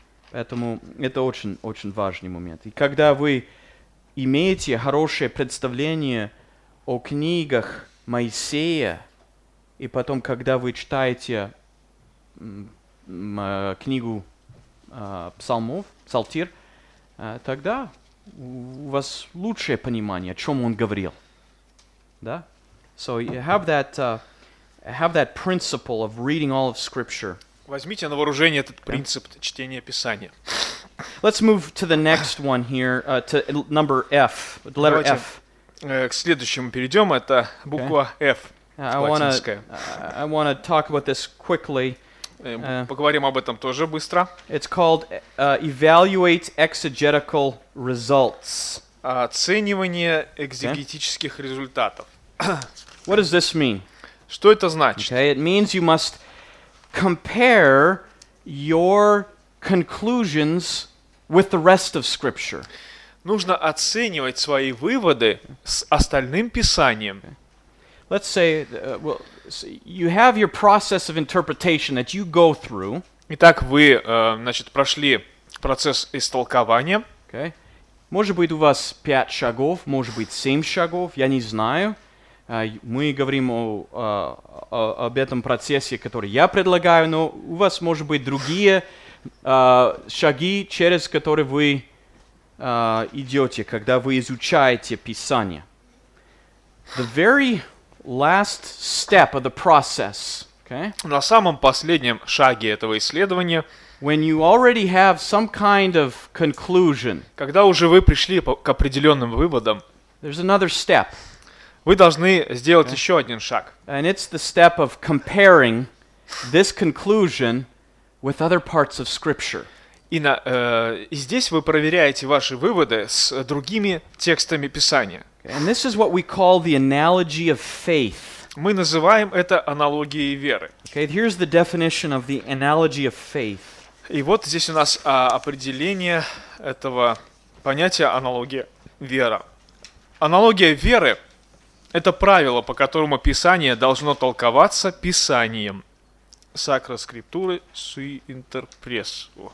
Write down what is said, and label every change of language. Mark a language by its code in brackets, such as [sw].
[ru] Поэтому это очень-очень важный момент. И когда вы имеете хорошее представление о книгах Моисея, и потом, когда вы читаете книгу Псалмов, Псалтир, тогда у вас лучшее понимание, о чем он говорил, да? [en] So you have that principle of reading all of Scripture. [ru] Возьмите на вооружение этот принцип чтения Писания. [en] Let's move to the next one here, to number F, letter F. [ru] К следующему перейдем, это буква F, латинская. [en] I want to talk about this quickly. [ru] Поговорим об этом тоже быстро. [en] It's called evaluate exegetical results. [ru] Оценивание экзегетических результатов. [en] What does this mean? [ru] Что это значит? [en] Okay, it means you must compare your conclusions with the rest of Scripture. [ru] Нужно оценивать свои выводы с остальным писанием. [en] Okay. Let's say, So you have your process of interpretation that you go through. [ru] Итак, вы, значит, прошли процесс истолкования. [en] Okay. [ru] Может быть, у вас 5 шагов, может быть, 7 шагов, я не знаю. Мы говорим об этом процессе, который я предлагаю, но у вас, может быть, другие шаги, через которые вы идете, когда вы изучаете Писание. [en] The very last step of the process, okay? [ru] На самом последнем шаге этого исследования, [en] when you already have some kind of conclusion, [ru] когда уже вы пришли к определенным выводам, [en] there's another step. [ru] Вы должны сделать еще один шаг. [en] And it's the step of comparing this conclusion with other parts of Scripture. [ru] И здесь вы проверяете ваши выводы с другими текстами Писания. [en] And this is what we call the analogy of faith. [ru] Мы называем это аналогией веры. [en] Okay, here's the definition of the analogy of faith. [ru] И вот здесь у нас определение этого понятия аналогия веры. Аналогия веры — это правило, по которому Писание должно толковаться Писанием. [la] Sacra Scriptura sui interpres.